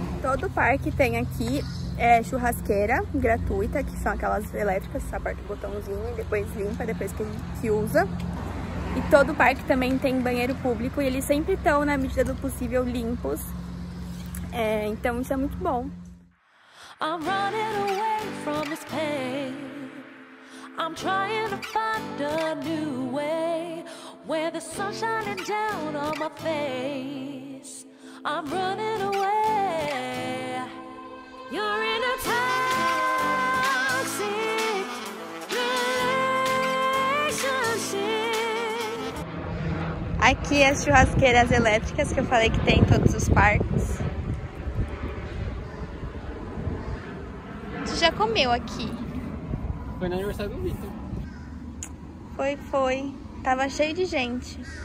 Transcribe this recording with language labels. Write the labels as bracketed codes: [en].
[pt] Todo parque tem aqui churrasqueira gratuita, que são aquelas elétricas, você aperta o botãozinho e depois limpa, depois que usa. E todo parque também tem banheiro público e eles sempre estão, na medida do possível, limpos. Então isso é muito bom. [en] I'm running away from this pain. I'm trying to find a new way. Where the sun's shining down on my face. I'm running away. You're in a toxic relationship. [pt] Aqui as churrasqueiras elétricas que eu falei que tem em todos os parques. Já comeu aqui? Foi no aniversário do Victor. Foi. Tava cheio de gente.